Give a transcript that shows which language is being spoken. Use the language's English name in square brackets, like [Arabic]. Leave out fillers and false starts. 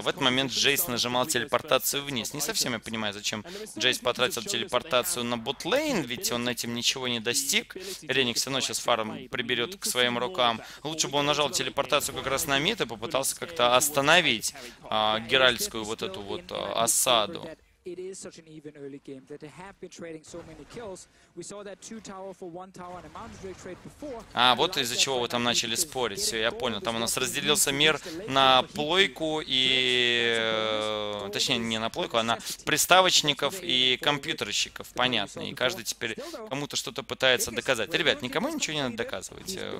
[Russian] В этот момент Джейс нажимал телепортацию вниз. Не совсем я понимаю, зачем Джейс потратил телепортацию на ботлейн, ведь он этим ничего не достиг. Реник все равно сейчас фарм приберет к своим рукам. Лучше бы он нажал телепортацию как раз на мид и попытался как-то остановить геральтскую вот эту вот осаду. [English] It is such an even early game that they have been trading so many kills. We saw that two tower for one tower and a mountain drake trade before. [Russian] А вот из-за чего вы там начали спорить? Все, я понял. Там у нас разделился мир на плойку и, точнее, не на плойку, а на приставочников и компьютерщиков. Понятно. И каждый теперь кому-то что-то пытается доказать. Ребят, никому ничего не надо доказывать.